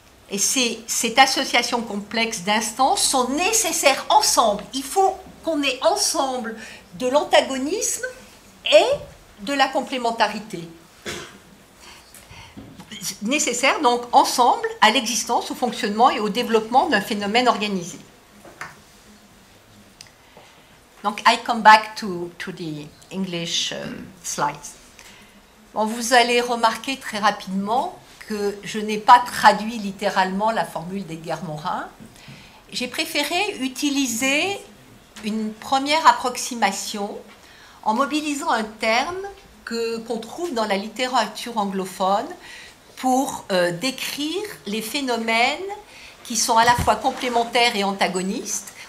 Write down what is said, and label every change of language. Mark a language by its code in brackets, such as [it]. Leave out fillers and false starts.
[fr] Et cette association complexe d'instances sont nécessaires ensemble. Il faut qu'on ait ensemble de l'antagonisme et de la complémentarité. Nécessaires donc ensemble à l'existence, au fonctionnement et au développement d'un phénomène organisé. Donc, [en] I come back to the English slides. [fr] Bon, vous allez remarquer très rapidement que je n'ai pas traduit littéralement la formule d'Edgar Morin. J'ai préféré utiliser une première approximation en mobilisant un terme qu'on trouve dans la littérature anglophone pour décrire les phénomènes qui sont à la fois complémentaires et antagonistes.